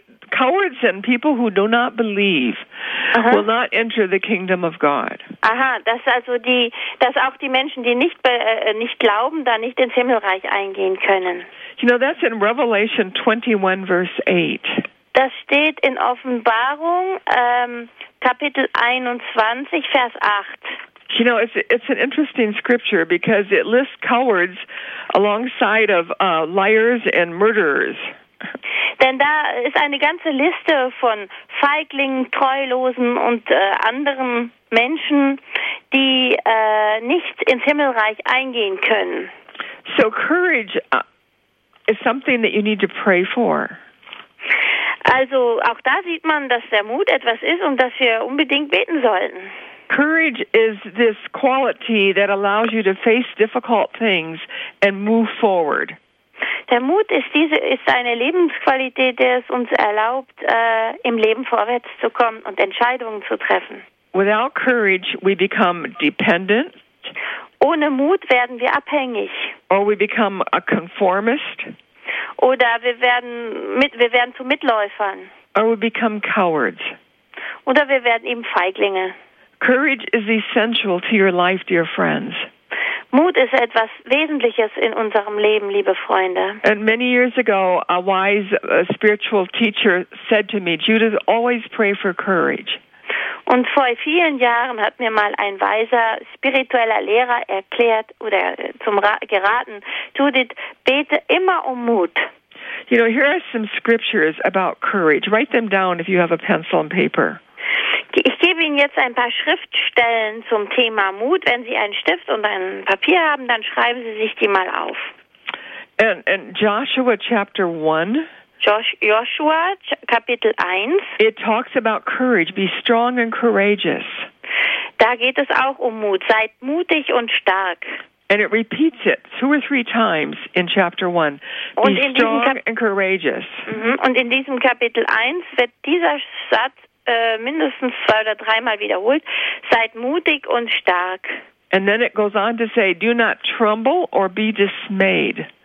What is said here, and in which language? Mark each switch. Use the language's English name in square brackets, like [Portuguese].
[English] Cowards and people who do not believe will not enter the kingdom of God. [German] Aha, dass auch die Menschen, die nicht glauben, da nicht ins Himmelreich eingehen können. [English] You know, that's in Revelation 21, verse 8. [German] Das steht in Offenbarung, Kapitel 21, Vers 8. [English] You know, it's an interesting scripture because it lists cowards alongside of liars and murderers. [German] Denn da ist eine ganze Liste von Feiglingen, Treulosen und anderen Menschen, die nicht ins Himmelreich eingehen können. [English] So courage is something that you need to pray for. [German] Also auch da sieht man, dass der Mut etwas ist und dass wir unbedingt beten sollten. [English] Courage is this quality that allows you to face difficult things and move forward. [German] Der Mut ist eine Lebensqualität, die es uns erlaubt, im Leben vorwärts zu kommen und Entscheidungen zu treffen. [English] Without courage, we become dependent. [German] Ohne Mut werden wir abhängig. [English] Or we become a conformist. [German] Oder wir werden zu Mitläufern. [English] Or we become cowards. [German] Oder wir werden eben Feiglinge. [English] Courage is essential to your life, dear friends. [German] Mut ist etwas Wesentliches in unserem Leben, liebe Freunde. [English] And many years ago, a wise spiritual teacher said to me, Judith, always pray for courage. [German] Und vor vielen Jahren hat mir mal ein weiser spiritueller Lehrer erklärt oder zum geraten, Judith, bete immer um Mut. [English] You know, here are some scriptures about courage. Write them down if you have a pencil and paper. [German] Ich gebe Ihnen jetzt ein paar Schriftstellen zum Thema Mut. Wenn Sie einen Stift und ein Papier haben, dann schreiben Sie sich die mal auf. [English] And Joshua chapter 1. [German] Joshua Kapitel 1. [English] It talks about courage. Be strong and courageous. [German] Da geht es auch um Mut. Seid mutig und stark. [English] And it repeats it two or three times in chapter 1. [German] Und [English] be strong and courageous. [German] Und in diesem Kapitel 1 wird dieser Satz mindestens zwei oder dreimal wiederholt. Seid mutig und stark. [English] And then it goes on to say, do not tremble or be dismayed.